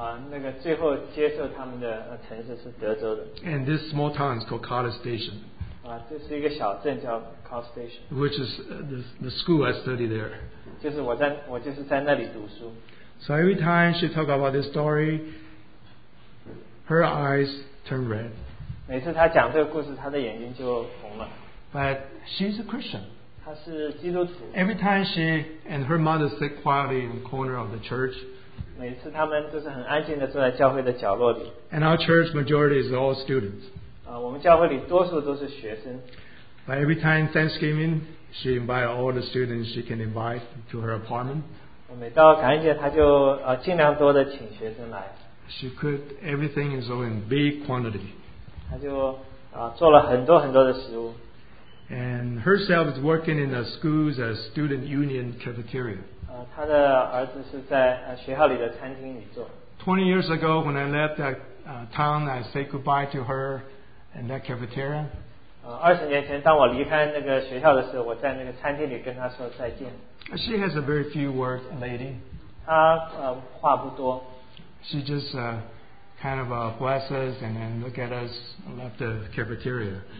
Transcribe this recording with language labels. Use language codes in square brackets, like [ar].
[zh] 那个最后接受他们的城市是德州的。 [en] And this small town is called College Station. [zh] 这是一个小镇叫College Station. [en] Which is the school I study there. [zh] 就是我在那里读书。 [en] So every time she talk about this story, her eyes turn red. [zh] 每次她讲这个故事，她的眼睛就红了。 [en] But she's a Christian. [zh] 她是基督徒。 [en] Every time she and her mother sit quietly in the corner of the church, [zh] 每次他们都是很安静地坐在教会的角落里。 [en] And our church majority is all students. [zh] 我们教会里多数都是学生。 [en] But every time Thanksgiving, she invites all the students she can invite to her apartment. [zh] 每到感恩节，她就 尽量多地请学生来。 [en] She could, everything is all in big quantity. [zh] 她就 做了很多很多的食物。 [en] And herself is working in the school's student union cafeteria. [zh] 她的儿子是在学校里的餐厅里做。 [en] 20 years ago when I left that town, I said goodbye to her in that cafeteria. [zh] 20年前当我离开那个学校的时候，我在那个餐厅里跟她说再见。 [en] She has a very few words, lady. [zh] 她话不多。 [en] She just kind of bless us and then look at us and left the cafeteria.